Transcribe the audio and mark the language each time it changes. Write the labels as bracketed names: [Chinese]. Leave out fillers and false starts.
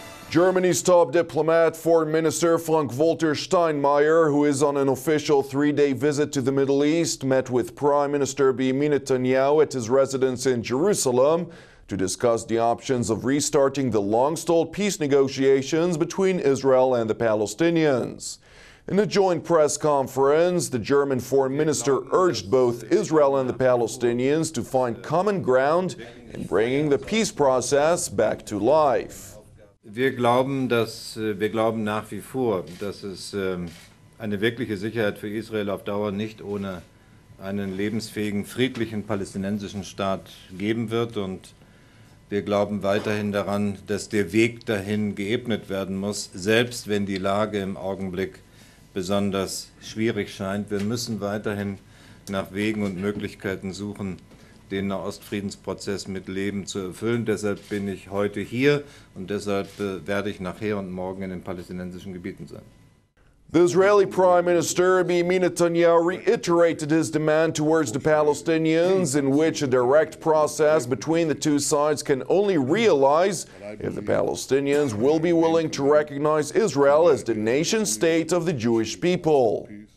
[English] Germany's top diplomat, Foreign Minister Frank-Walter Steinmeier, who is on an official three-day visit to the Middle East, met with Prime Minister Benjamin Netanyahu at his residence in Jerusalem to discuss the options of restarting the long-stalled peace negotiations between Israel and the Palestinians. In a joint press conference, the German foreign minister urged both Israel and the Palestinians to find common ground in bringing the peace process back to life. [German] Wir glauben nach wie vor, dass es eine wirkliche Sicherheit für Israel auf Dauer nicht ohne einen lebensfähigen, friedlichen palästinensischen Staat geben wird. Und wir glauben weiterhin daran, dass der Weg dahin geebnet werden muss, selbst wenn die Lage im Augenblick besonders schwierig scheint. Wir müssen weiterhin nach Wegen und Möglichkeiten suchen, den Nahostfriedensprozess mit Leben zu erfüllen. Deshalb bin ich heute hier und deshalb werde ich nachher und morgen in den palästinensischen Gebieten sein. [English] The Israeli Prime Minister Benjamin Netanyahu reiterated his demand towards the Palestinians, in which a direct process between the two sides can only realize if the Palestinians will be willing to recognize Israel as the nation-state of the Jewish people.